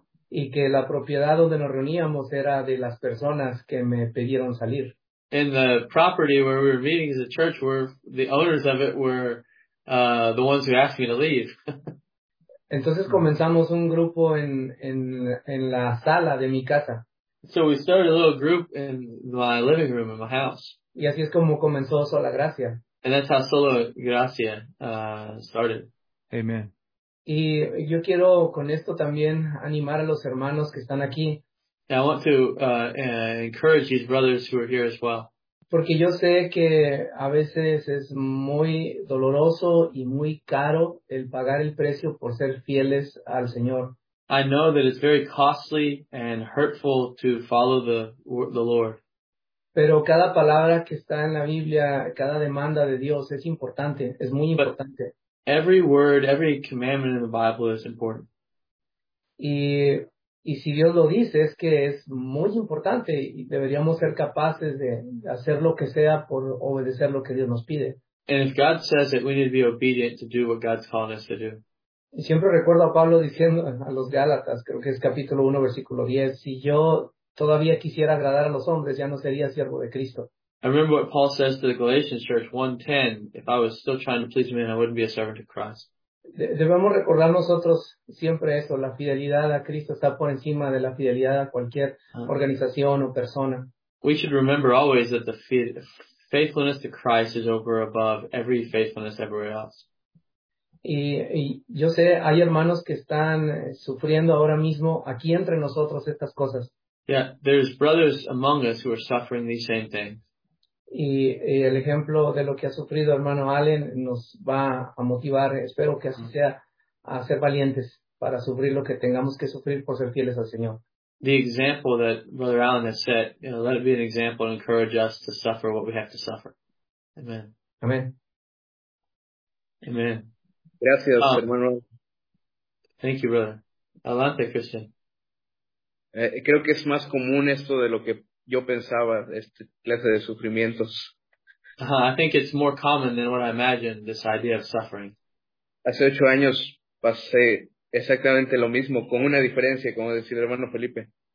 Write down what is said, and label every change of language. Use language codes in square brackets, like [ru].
[es] Y que la propiedad donde nos reuníamos era de las personas que me pidieron salir. [en] And the property where we were meeting as a church, were the owners of it were the ones who asked me to leave. [es] Entonces comenzamos un grupo en la sala de mi casa. [en] So we started a little group in my living room in my house. [es] Y así es como comenzó Sola Gracia. [en] And that's how Sola Gracia started. Amen. [es] Y yo quiero con esto también animar a los hermanos que están aquí. [en] And I want to encourage these brothers who are here as well. [es] Porque yo sé que a veces es muy doloroso y muy caro el pagar el precio por ser fieles al Señor. [en] I know that it's very costly and hurtful to follow the Lord. [es] Pero cada palabra que está en la Biblia, cada demanda de Dios es importante, es muy importante. [en] Every word, every commandment in the Bible is important. [es] Y si Dios lo dice, es que es muy importante y deberíamos ser capaces de hacer lo que sea por obedecer lo que Dios nos pide. [en] And if God says it, we need to be obedient to do what God's calling us to do. [es] Y siempre recuerdo a Pablo diciendo a los Gálatas, creo que es capítulo 1, versículo 10, si yo todavía quisiera agradar a los hombres, ya no sería siervo de Cristo. [en] I remember what Paul says to the Galatians church, 1:10, if I was still trying to please men, I wouldn't be a servant of Christ. [es] Debemos recordar nosotros siempre eso, la fidelidad a Cristo está por encima de la fidelidad a cualquier organización o persona. [en] We should remember always that the faithfulness to Christ is over above every faithfulness everywhere else. [es] Y yo sé, hay hermanos que están sufriendo ahora mismo aquí entre nosotros estas cosas. [en] Yeah, there's brothers among us who are suffering these same things. [es] Y el ejemplo de lo que ha sufrido hermano Allen nos va a motivar, espero que así sea, a ser valientes para sufrir lo que tengamos que sufrir por ser fieles al Señor. [en] The example that Brother Allen has set, you know, let it be an example and encourage us to suffer what we have to suffer. Amen. Amen. Amen. [es] Gracias, hermano. [en] Thank you, brother. [es] Adelante, [en] Christian. [es] Creo que es más común esto de lo que yo pensaba, esta clase de sufrimientos. [en] I think it's more common than what I imagined, this idea of suffering. [es] Hace 8 años pasé exactamente lo mismo, con una diferencia, como decía el hermano Felipe.